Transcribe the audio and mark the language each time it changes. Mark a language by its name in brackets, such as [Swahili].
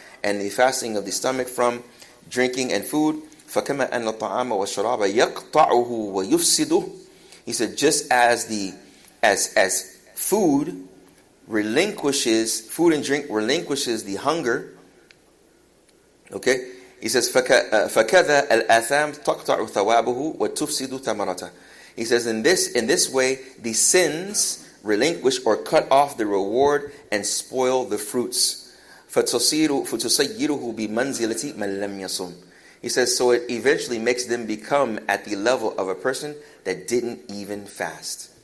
[English] And the fasting of the stomach from drinking and food. [Arabic] فَكَمَا أَنَّ الطَّعَامَ وَالشَّرَابَ يَقْطَعُهُ وَيُفْسِدُهُ. [English] He said, just as the as food relinquishes, food and drink relinquishes the hunger. Okay? He says, [Arabic] فَكَذَا الْأَثَامِ تَقْطَعُ ثَوَابُهُ وَتُفْسِدُ ثَمَرَتَهُ. [English] He says, in this way, the sins relinquish or cut off the reward and spoil the fruits. [Arabic] فَتُصَيِّرُهُ بِمَنْزِلَةِ مَنْ لَمْ يَصُمْ. [English] He says, so it eventually makes them become at the level of a person that didn't even fast.